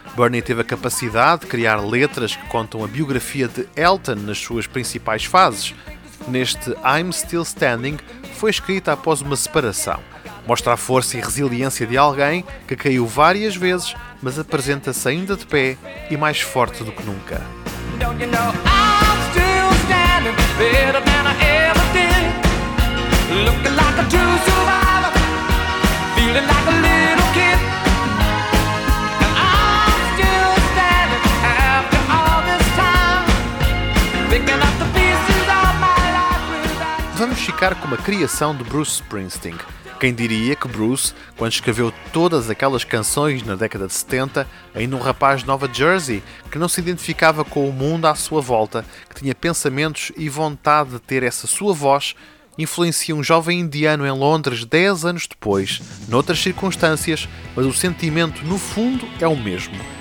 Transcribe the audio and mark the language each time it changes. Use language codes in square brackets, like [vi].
[pt] Bernie teve a capacidade de criar letras que contam a biografia de Elton nas suas principais fases. Neste I'm Still Standing, foi escrita após uma separação. Mostra a força e resiliência de alguém que caiu várias vezes, mas apresenta-se ainda de pé e mais forte do que nunca. [en] Don't you know I'm still standing better than I ever did? Looking like a true survivor. Feeling like a little kid. And I'm still standing after all this time. Picking up the pieces of my life without you. [pt] Vamos ficar com uma criação de Bruce Springsteen. Quem diria que Bruce, quando escreveu todas aquelas canções na década de 70, ainda um rapaz de Nova Jersey, que não se identificava com o mundo à sua volta, que tinha pensamentos e vontade de ter essa sua voz, influencia um jovem indiano em Londres 10 anos depois, noutras circunstâncias, mas o sentimento, no fundo, é o mesmo.